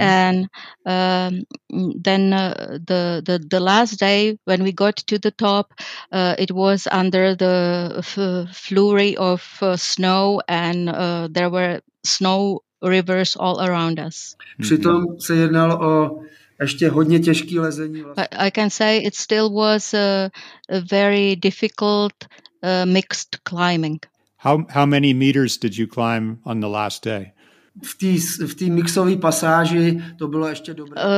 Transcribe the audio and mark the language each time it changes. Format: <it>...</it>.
<en>And then the last day when we got to the top, it was under the flurry of snow, and there were snow rivers all around us. Mm-hmm.</en> <cs>Přitom se jednalo o ještě hodně těžký lezení.</cs> <en>But I can say it still was a very difficult mixed climbing. How many meters did you climb on the last day?</en> <cs>V té mixové pasáži to bylo ještě dobré.</cs>